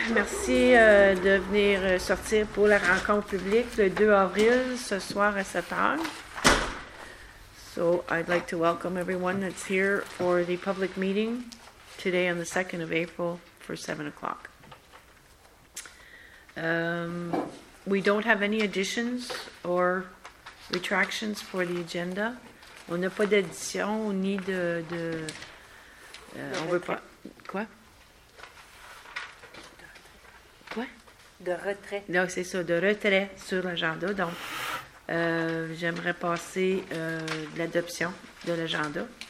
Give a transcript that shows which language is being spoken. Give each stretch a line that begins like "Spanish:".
French: Merci de venir sortir pour la rencontre publique le 2 avril, ce soir à 7h.
English: So, I'd like to welcome everyone that's here for the public meeting today on the 2nd of April for 7 o'clock. We don't have any additions or retractions for the agenda.
French: On n'a pas d'addition ni de on veut pas. Quoi? Quoi? De retrait. Non, c'est ça, de retrait sur l'agenda. Donc, j'aimerais passer l'adoption de l'agenda.